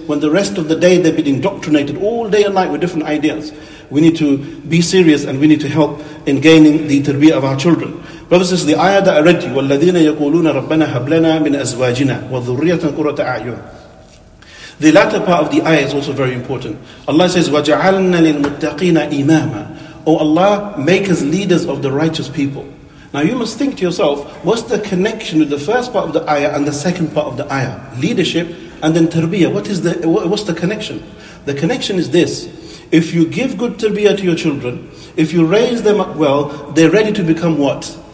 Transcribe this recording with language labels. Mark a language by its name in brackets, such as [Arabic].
[English] When the rest of the day they've been indoctrinated all day and night with different ideas. We need to be serious and we need to help in gaining the tarbiyah of our children. Brothers, this is the ayah that I read to you. [Arabic] وَالَّذِينَ يَقُولُونَ رَبَّنَا هَبْلَنَا مِنْ أَزْوَاجِنَا وَذُرِّيَّةً قُرَّةَ أَعْيُنٍ. [English] The latter part of the ayah is also very important. Allah says, [Arabic] وَجَعَلْنَا لِلْمُتَّقِينَ إِمَامًا. [English] Oh Allah, make us leaders of the righteous people. Now you must think to yourself, what's the connection with the first part of the ayah and the second part of the ayah? Leadership and then tarbiyah. What's the connection? The connection is this. If you give good tarbiyah to your children, if you raise them up well, they're ready to become what?